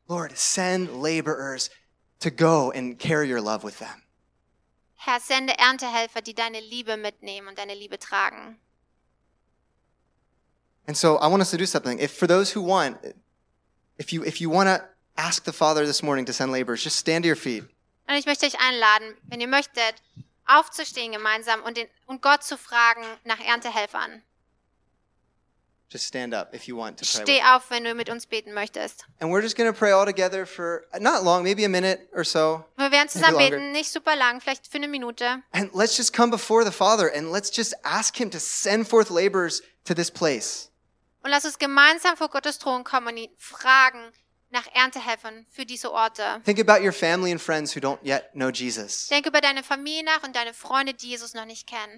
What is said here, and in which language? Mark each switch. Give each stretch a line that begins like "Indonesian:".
English: Lord, send laborers to go and carry your love with them.
German: Herr, sende Erntehelfer, die deine Liebe mitnehmen und deine Liebe tragen.
English: And so I want us to do something. If for those who want, if you want to ask the Father this morning to send laborers, just stand to your feet.
German: Und ich möchte euch einladen, wenn ihr möchtet, aufzustehen gemeinsam und Gott zu fragen nach Erntehelfern.
English: Just stand up if you want to pray.
German: Steh auf, wenn du mit uns beten möchtest.
English: And we're just going to pray all together for not long, maybe a minute or so.
German: Wir werden zusammen beten, nicht super lang, vielleicht für eine Minute.
English: And let's just come before the Father and let's just ask him to send forth laborers to this place.
German: Und lass uns gemeinsam vor Gottes Thron kommen und ihn fragen nach Erntehelfern für diese Orte.
English: Think about your family and friends who don't yet know Jesus.
German: Denk über deine Familie nach und deine Freunde, die Jesus noch nicht kennen.